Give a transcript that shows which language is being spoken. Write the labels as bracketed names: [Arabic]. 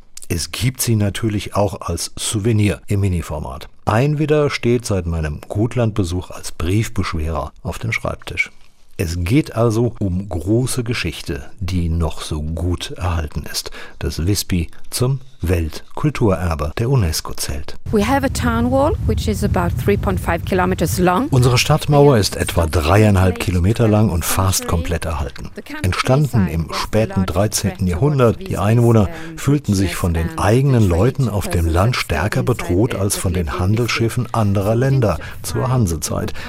[German] Es gibt sie natürlich auch als Souvenir im Miniformat. Ein Widder steht seit meinem Gotland-Besuch als Briefbeschwerer auf dem Schreibtisch. Es geht also um große Geschichte, die noch so gut erhalten ist, dass Visby zum Weltkulturerbe der UNESCO zählt. [English] We have a town wall, which is about 3.5 kilometers long. [German] Unsere Stadtmauer ist etwa 3,5 Kilometer lang und fast komplett erhalten. Entstanden im späten 13. Jahrhundert, die Einwohner fühlten sich von den eigenen Leuten auf dem Land stärker bedroht als von den Handelsschiffen anderer Länder zur Hansezeit.